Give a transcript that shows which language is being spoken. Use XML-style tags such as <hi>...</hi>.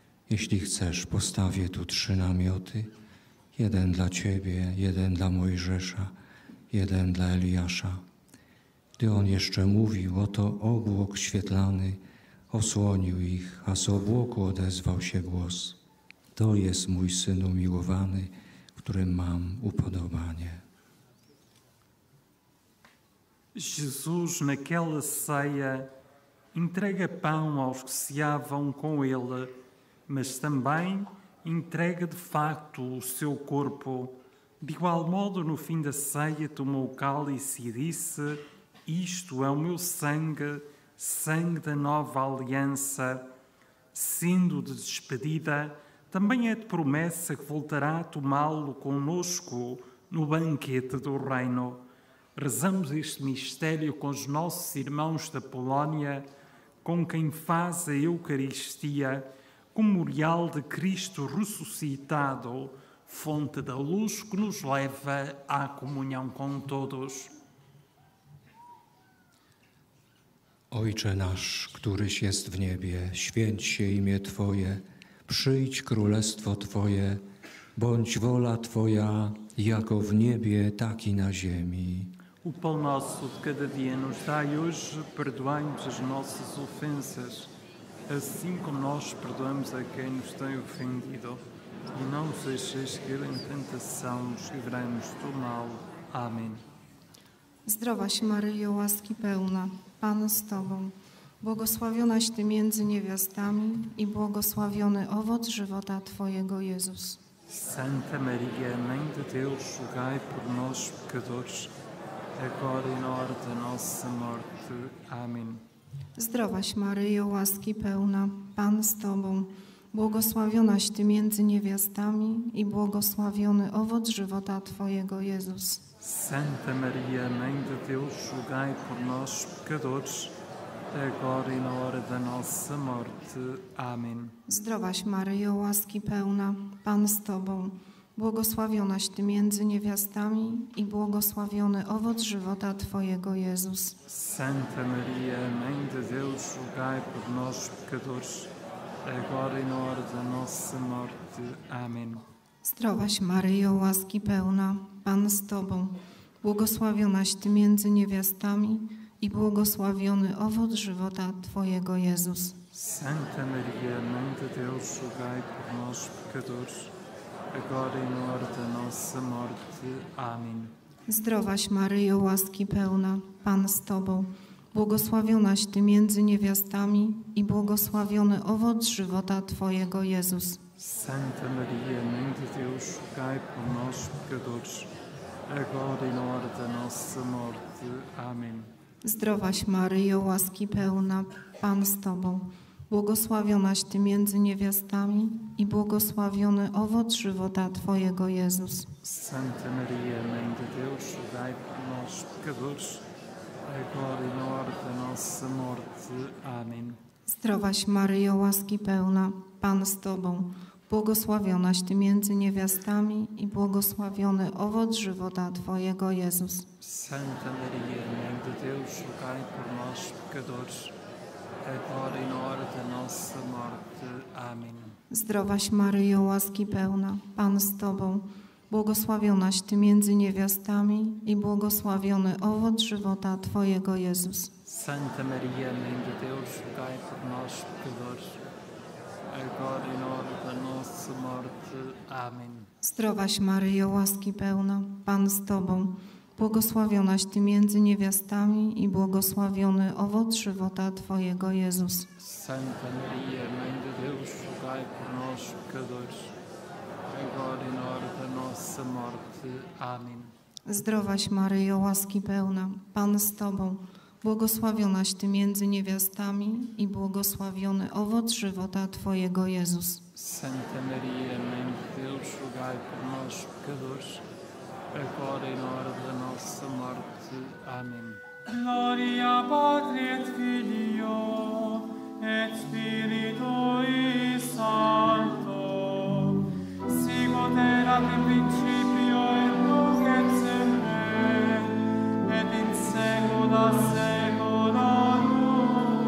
<pl>Jeśli chcesz, postawię tu trzy namioty. Jeden dla Ciebie, jeden dla Mojżesza, jeden dla Eliasza. Gdy on jeszcze mówił, oto obłok świetlany osłonił ich, a z obłoku odezwał się głos: To jest mój Syn umiłowany, którym mam upodobanie.</pl> <pt>Jesus, naquela ceia, entrega pão aos que ceavam com ele, mas também entrega de facto o seu corpo. De igual modo, no fim da ceia, tomou o cálice e disse: Isto é o meu sangue, sangue da nova aliança. Sendo de despedida, também é de promessa que voltará a tomá-lo conosco no banquete do reino. Rezamos este mistério com os nossos irmãos da Polónia, com quem faz a Eucaristia, memorial de Cristo ressuscitado, fonte da luz que nos leva à comunhão com todos.</pt> <pl>Ojcze nasz, któryś jest w niebie, święć się imię Twoje, przyjdź królestwo Twoje, bądź wola Twoja, jako w niebie, tak i na ziemi.</pl> <pt>O pão nosso de cada dia nos dai hoje, perdoai-nos as nossas ofensas, assim como nós perdoamos a quem nos tem ofendido. E não nos deixeis cair em tentação, nos livrai-nos do mal. Amém.</pt> <pl>Zdrowaś, Maryjo, łaski pełna, Pan z Tobą. Błogosławionaś Ty między niewiastami i błogosławiony owoc żywota Twojego, Jezus.</pl> <pt>Santa Maria, Mãe de Deus, rogai por nós, pecadores, agora e na hora da nossa morte. Amém.</pt> <pl>Zdrowaś, Maryjo, łaski pełna, Pan z Tobą. Błogosławionaś Ty między niewiastami i błogosławiony owoc żywota Twojego, Jezus.</pl> <pt>Santa Maria, Mãe de Deus, rogai por nós, pecadores, agora e na hora da nossa morte. Amém.</pt> <pl>Zdrowaś, Maryjo, łaski pełna, Pan z Tobą. Błogosławionaś Ty między niewiastami i błogosławiony owoc żywota Twojego, Jezus.</pl> <pt>Santa Maria, Mãe de Deus, rogai por nós, pecadores, agora e na hora da nossa morte. Amém.</pt> <pl>Zdrowaś, Maryjo, łaski pełna, Pan z Tobą. Błogosławionaś Ty między niewiastami i błogosławiony owoc żywota Twojego, Jezus.</pl> <pt>Santa Maria, Mãe de Deus, rogai por nós, pecadores, agora e na hora da nossa morte. Amém.</pt> <pl>Zdrowaś, Maryjo, łaski pełna, Pan z Tobą. Błogosławionaś Ty między niewiastami i błogosławiony owoc żywota Twojego, Jezus.</pl> <pt>Santa Maria, Mãe de Deus, rogai por nós, pecadores, agora e na hora da nossa morte. Amém.</pt> <pl>Zdrowaś, Maryjo, łaski pełna, Pan z Tobą. Błogosławionaś Ty między niewiastami i błogosławiony owoc żywota Twojego, Jezus.</pl> <pt>Santa Maria, Mãe de Deus, rogai por nós, pecadores, agora e na hora da nossa morte. Amém.</pt> <pl>Zdrowaś, Maryjo, łaski pełna, Pan z Tobą. Błogosławionaś Ty między niewiastami i błogosławiony owoc żywota Twojego, Jezus.</pl> <pt>Santa Maria, Mãe de Deus, rogai por nós, pecadores, agora e na hora da nossa morte. Amém.</pt> <pl>Zdrowaś, Maryjo, łaski pełna, Pan z Tobą. Błogosławionaś Ty między niewiastami i błogosławiony owoc żywota Twojego, Jezus.</pl> <pt>Santa Maria, Mãe de Deus, rogai por nós, pecadores, agora e na hora da nossa morte. Amém.</pt> <pl>Zdrowaś, Maryjo, łaski pełna, Pan z Tobą. Błogosławionaś Ty między niewiastami i błogosławiony owoc żywota Twojego, Jezus.</pl> <pt>Santa Maria, Mãe de Deus, rogai por nós, pecadores, agora e na hora da nossa morte. Amém.</pt> <pl>Zdrowaś, Maryjo, łaski pełna, Pan z Tobą. Błogosławionaś Ty między niewiastami i błogosławiony owoc żywota Twojego, Jezus.</pl> <pt>Santa Maria, Mãe de Deus, rogai por nós, pecadores, agora e na hora da nossa morte. Amém.</pt> <la>Gloria, Patri et Filio, et Spirito Santo, sicut erat in principio, et nunc et semper, et in saecula saecula.</la>